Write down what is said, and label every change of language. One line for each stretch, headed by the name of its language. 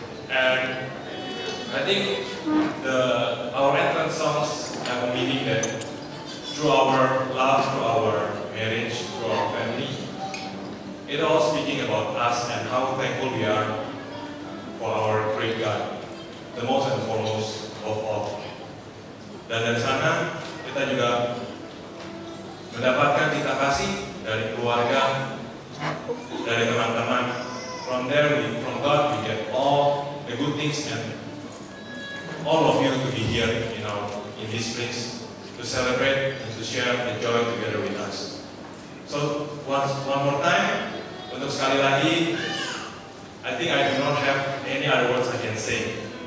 English: And I think our entrance songs have a meaning that through our love, through our marriage, through our family, it all speaking about us and how thankful we are for our great God, the most and foremost of all.
Indonesian: Dan dari sana kita juga mendapatkan cinta kasih dari keluarga, dari teman-teman.
English: From there, from God, we get all the good things and all of you to be here, you know, in this place to celebrate and to share the joy together with us. So one more time,
Indonesian: untuk sekali lagi,
English: I think I do not have any other words I can say.